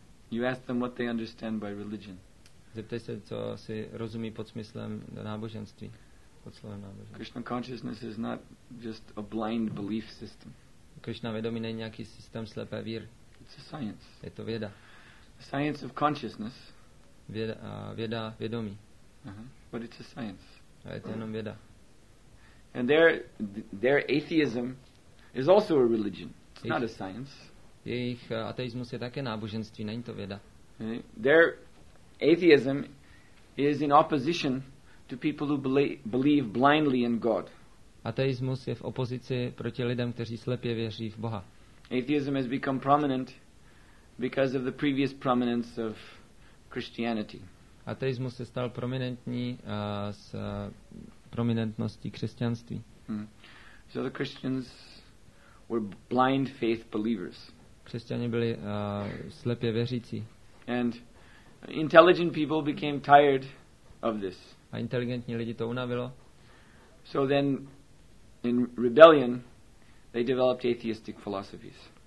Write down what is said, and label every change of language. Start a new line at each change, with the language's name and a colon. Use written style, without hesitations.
English: You ask them what they understand by religion.
Czech: Zeptej se, co si rozumí pod smyslem náboženství, pod slovem náboženství.
English: Krishna consciousness is not just a blind belief system.
Czech: Krishna vědomí není nějaký systém slepé víry.
English: It's a science.
Czech: Je to věda.
English: A science of consciousness.
Czech: Věda vědomí.
English: Uh-huh. But it's a science.
Czech: A je to jenom věda.
English: And their atheism is also a religion. It's not a science.
Czech: Jejich ateismus je také náboženství, není to věda.
English: Their atheism is in opposition to people who believe blindly in God.
Czech: Ateismus je v opozici proti lidem, kteří slepě věří v Boha.
English: Atheism has become prominent because of the previous prominence of Christianity.
Czech: Ateismus se stal prominentní z prominentnosti křesťanství.
English: So the Christians were blind faith believers.
Czech: Křesťané byli slepě věřící.
English: And intelligent people became tired of this.
Czech: A inteligentní lidi to unavilo.
English: So then in rebellion they developed atheistic philosophies.